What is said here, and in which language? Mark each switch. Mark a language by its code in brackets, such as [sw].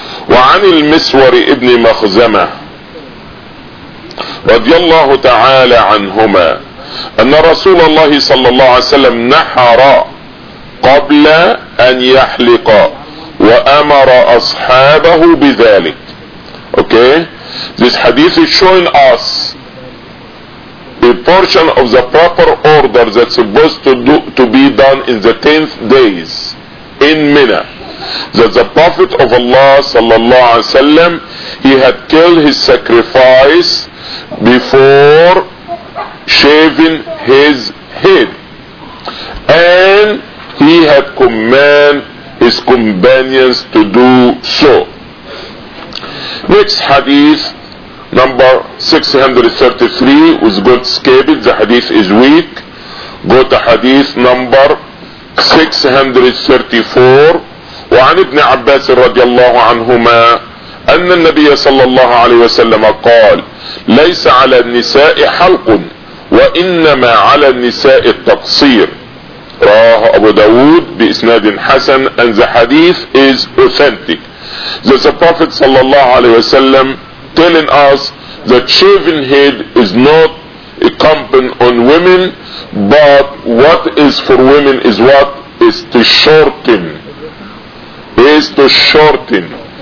[ar] وعن المسور ابن مخزمة رضي الله تعالى عنهما أن رسول الله صلى الله عليه وسلم نحر قبل أن يحلق وأمر أصحابه بذلك. [en] Okay, this hadith is showing us a portion of the proper order that's supposed to be done in the 10th days in Mina. that the Prophet of Allah sallallahu alaihi wasallam, he had killed his sacrifice before shaving his head, and he had command his companions to do so. Next hadith, number 633, was got skipped. The hadith is weak. Go to hadith number 634. [ar] وعن ابن عباس رضي الله عنهما أن النبي صلى الله عليه وسلم قال ليس على النساء حلق وإنما على النساء التقصير. رواه أبو داود بإسناد حسن. [en] And the hadith is authentic. The Prophet صلى الله عليه وسلم telling us that shaving head is not a compliment on women, but what is for women is what? Is to shorten. Is to shorten.